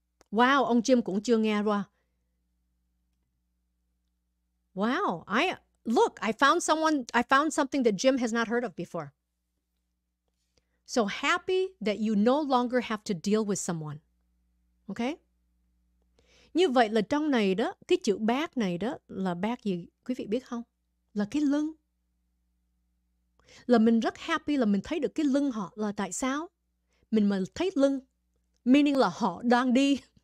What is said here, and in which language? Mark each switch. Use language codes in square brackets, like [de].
[vi] Wow, ông Jim cũng chưa nghe qua. [en] Wow, I found something that Jim has not heard of before. So happy that you no longer have to deal with someone. Okay? [vi] Như vậy là trong này đó, cái chữ back này đó là back gì quý vị biết không? Là cái lưng. Là mình rất happy là mình thấy được cái lưng họ là tại sao? Mình mà thấy lưng, meaning là họ đang đi.